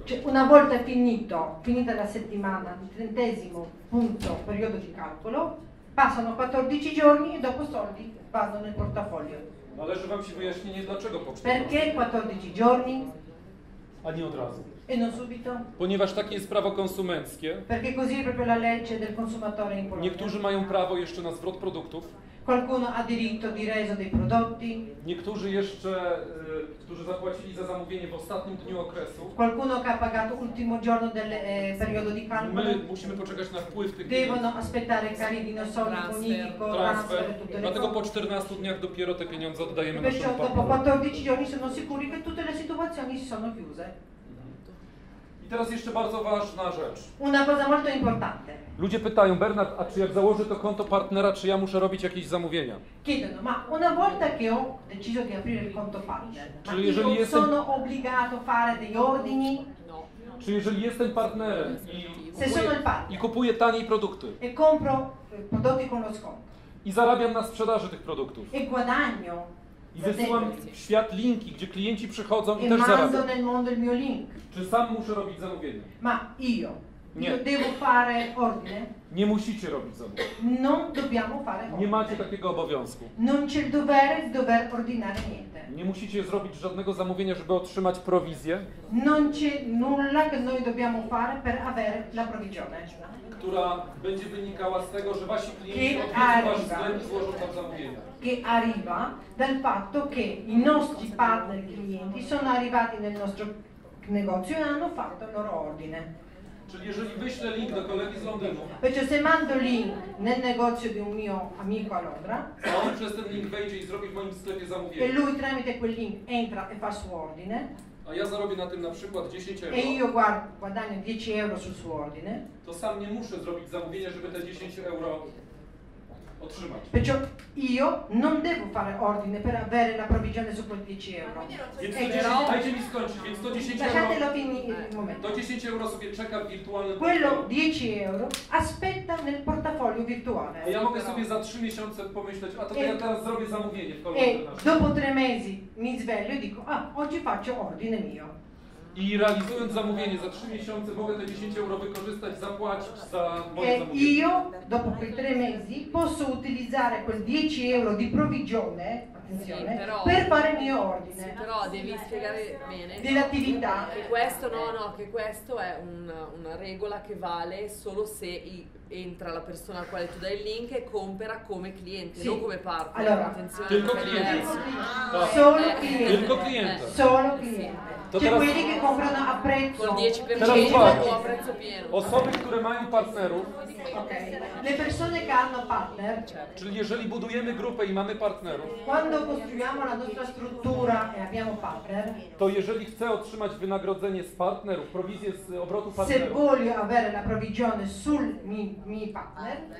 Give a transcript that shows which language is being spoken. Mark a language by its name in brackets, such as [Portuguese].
[Italian] Cioè, una volta finito, finita la settimana, il trentesimo punto, periodo di calcolo, passano 14 giorni e dopo soldi vanno nel portafoglio. [Polish] Należy wam się wyjaśnienie, dlaczego po 14. [Italian] Perché 14 giorni? [Polish] A nie od razu. [Italian] E non subito. [Polish] Ponieważ takie jest prawo konsumenckie. [Italian] Perché così è proprio la legge del consumatore in Polonia. [Polish] Niektórzy mają prawo jeszcze na zwrot produktów. [Italian] Qualcuno ha diritto di reso dei prodotti. [Polish] Niektórzy jeszcze, którzy zapłacili za zamówienie w ostatnim dniu okresu. Qualcuno che ha pagato l'ultimo giorno del periodo di calcolo. [Italian] My musimy poczekać na wpływ tych [Polish] pieniędzy. [Italian] Devono aspettare cari dinosauri con indico, transfer, tutte le [Polish] dlatego po 14 dniach dopiero te pieniądze oddajemy na naszym partnerom. [Italian] Dopo 14 giorni sono sicuri che tutte le situazioni si sono chiuse. [Polish] Teraz jeszcze bardzo ważna rzecz. [Italian] Una cosa molto importante. [Polish] Ludzie pytają, Bernard, a czy jak założę to konto partnera, czy ja muszę robić jakieś zamówienia? [Italian] Chiedono, ma una volta che ho deciso di aprire il conto partner, ma io sono obbligato a fare degli ordini? No. [Polish] Czy jeżeli jestem partnerem i kupuję taniej produkty [Italian] e compro prodotti con lo sconto [Polish] i zarabiam na sprzedaży tych produktów [Italian] e guadagno [Polish] i wysyłam w świat linki, gdzie klienci przychodzą i [Italian] e [Polish] też zarabiam. [Italian] E mando nel mondo il mio link. [Polish] Czy sam muszę robić zamówienie? [Italian] Ma io. [Polish] Nie. [Italian] Io devo fare ordine? [Polish] Nie musicie robić zamówienia. [Italian] Non dobbiamo fare ordine. [Polish] Nie macie takiego obowiązku. [Italian] Non c'è il dovere di dover ordinare niente. [Polish] Nie musicie zrobić żadnego zamówienia, żeby otrzymać prowizję. [Italian] Non c'è nulla che noi dobbiamo fare per avere la provvigione. [Polish] Która będzie wynikała z tego, że wasi klienci odwiedzą wasz sklep i złożą tam zamówienia. [Italian] Che arriva dal fatto che i nostri partner clienti sono arrivati nel nostro negozio e hanno fatto il loro ordine. [Polish] Czyli jeżeli wyślę link do kolegi z Londynu. [Italian] Perciò se mando link nel negozio di un mio amico a Londra. [Polish] A on przez ten link wejdzie i zrobi w moim sklepie zamówienie. [Italian] E lui tramite quel link entra e fa suo ordine. [Polish] A ja zarobię na tym na przykład 10 euro. [Italian] E io guadagno 10 euro sul suo ordine. [Polish] To sam nie muszę zrobić zamówienia, żeby te 10 euro otrzymać. [Italian] Perciò io non devo fare ordine per avere la provvigione su quel 10 euro. [Polish] Dajcie mi skończyć, więc to 10 euro. [Italian] Lasciatelo finire un momento. [Polish] To 10 euro sobie czeka w wirtualnym. [Italian] Quello 10 euro aspetta nel portafoglio virtuale. [Polish] A ja mogę sobie za 3 miesiące pomyśleć, a to ja teraz zrobię zamówienie w kolejnym. [Italian] E dopo 3 mesi mi sveglio e dico, ah, oggi faccio ordine mio. [Polish] I realizując zamówienie za 3 miesiące mogę te 10 euro wykorzystać, zapłacić za moje zamówienie. [Italian] Io dopo quei 3 mesi posso utilizzare quel 10 euro di provvigione, attenzione, sì, però, per fare il mio ordine. Sì, però devi spiegare bene dell'attività. Che questo questo è una regola che vale solo se entra la persona al quale tu dai il link e compra come cliente, sì. Non come partner. Allora, attenzione, [Polish] tylko cliente. [Italian] Solo cliente. [Polish] Tylko [Italian] cliente. Solo cliente. Sì. C'è cioè quelli che comprano a prezzo con 10% [Polish] teraz, [Italian] a prezzo pieno. [Polish] Osoby, które mają partnerów. Okay. [Italian] Le persone che hanno partner. Certo. [Polish] Czyli jeżeli budujemy grupę i mamy partnerów. [Italian] Quando costruiamo la nostra struttura e abbiamo partner. [Polish] To jeżeli chcę otrzymać wynagrodzenie z partnerów, prowizję z obrotu partnerów. [Italian] Se voglio avere la provvigione sul mi partner.